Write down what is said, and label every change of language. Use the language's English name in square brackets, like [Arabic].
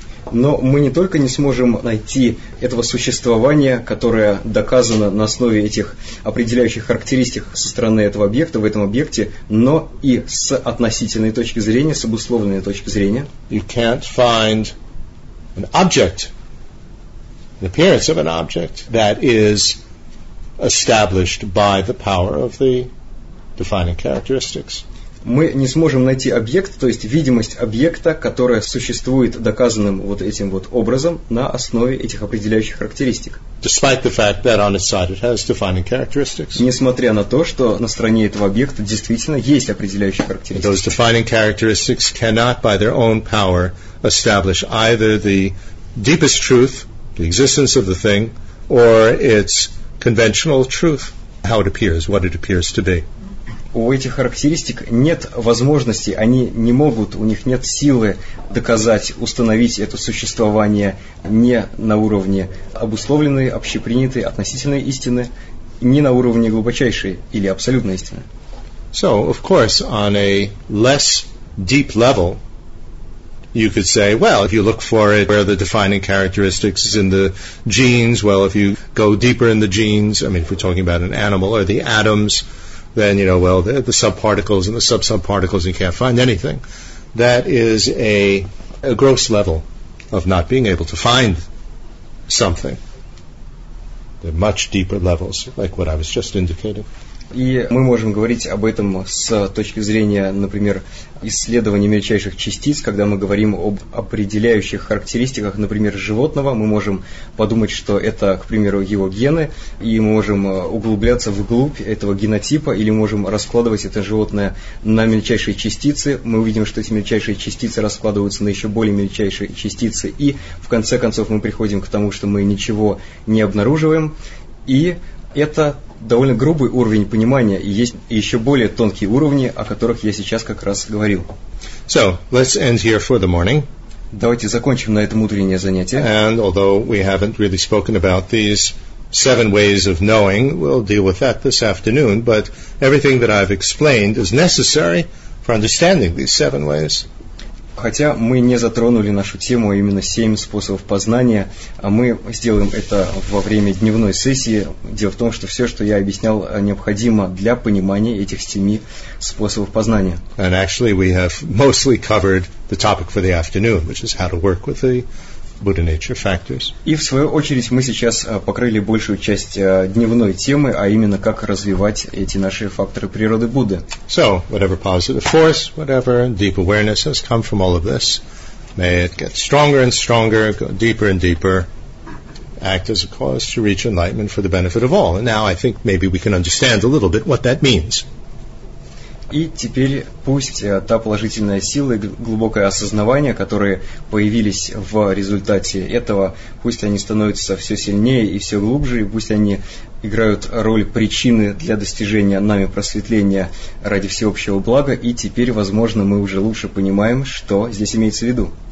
[Russian] но мы не только не сможем найти этого существования, которое доказано на основе этих определяющих характеристик со стороны этого объекта, в этом объекте, но и с относительной точки зрения, с обусловленной точки зрения. [English] You can't find an object, an appearance of an object that is established by the power of the defining characteristics. [Russian] Мы не сможем найти объект, то есть видимость объекта, которая существует доказанным вот этим вот образом на основе этих определяющих характеристик. [English] Despite the fact that on its side it has defining characteristics. [Russian] Несмотря на то, что на стороне этого объекта действительно есть определяющие характеристики. [English] Those defining characteristics cannot by their own power establish either the deepest truth, the existence of the thing, or its conventional truth, how it appears, what it appears to be. [Russian] У этих характеристик нет возможности, они не могут, у них нет силы доказать, установить это существование не на уровне обусловленной, общепринятой, относительной истины, не на уровне глубочайшей или абсолютной истины. [English] So, of course, on a less deep level, you could say, well, if you look for it, where the defining characteristics is in the genes, well, if you go deeper in the genes, I mean, if we're talking about an animal or the atoms, then, you know, well, the subparticles and the sub-subparticles, you can't find anything. That is a gross level of not being able to find something. There are much deeper levels, like what I was just indicating. [Russian] И мы можем говорить об этом с точки зрения, например, исследования мельчайших частиц, когда мы говорим об определяющих характеристиках, например, животного, мы можем подумать, что это, к примеру, его гены, и мы можем углубляться вглубь этого генотипа, или можем раскладывать это животное на мельчайшие частицы, мы увидим, что эти мельчайшие частицы раскладываются на еще более мельчайшие частицы, и в конце концов мы приходим к тому, что мы ничего не обнаруживаем, и это довольно грубый уровень понимания, и есть еще более тонкие уровни, о которых я сейчас как раз говорил. [English] So, let's end here for the morning. [Russian] Давайте закончим на этом утреннее занятие. [English] And although we haven't really spoken about these seven ways of knowing, we'll deal with that this afternoon, but everything that I've explained is necessary for understanding these seven ways. [Russian] Хотя мы не затронули нашу тему, именно семь способов познания, а мы сделаем это во время дневной сессии. Дело в том, что все, что я объяснял, необходимо для понимания этих семи способов познания. [English] And actually we have mostly covered the topic for the afternoon, which is how to work with the Buddha nature factors. [Russian] И в свою очередь мы сейчас покрыли большую часть дневной темы, а именно как развивать эти наши факторы природы Будды. [English] So, whatever positive force, whatever deep awareness has come from all of this, may it get stronger and stronger, go deeper and deeper, act as a cause to reach enlightenment for the benefit of all. And now I think maybe we can understand a little bit what that means. [Russian] И теперь пусть та положительная сила и глубокое осознавание, которые появились в результате этого, пусть они становятся все сильнее и все глубже, и пусть они играют роль причины для достижения нами просветления ради всеобщего блага, и теперь, возможно, мы уже лучше понимаем, что здесь имеется в виду.